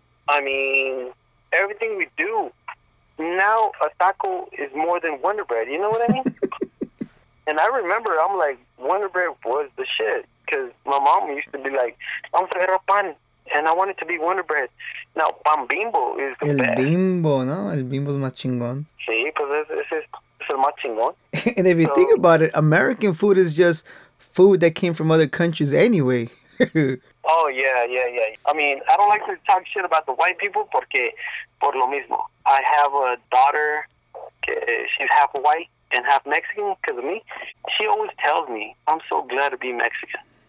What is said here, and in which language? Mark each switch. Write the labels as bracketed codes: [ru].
[en] I mean, everything we do. Now, a taco is more than Wonder Bread. You know what I mean? And I remember, I'm like, Wonder Bread was the shit. Because my mom used to be like, I'm Ferro Pan. And I want it to be Wonder Bread. Now, Pan Bimbo is the [es] El [en] best. [es] El Bimbo, ¿no? El Bimbo's más chingón. Sí, [en] because it's [es] el más chingón. [en] And if you think about it, American food is just food that came from other countries anyway. Oh, yeah. I mean, I don't like to talk shit about the white people [es] porque por lo mismo. [en] I have a daughter, que she's half white, and half Mexican because of me, she always tells me, I'm so glad to be Mexican.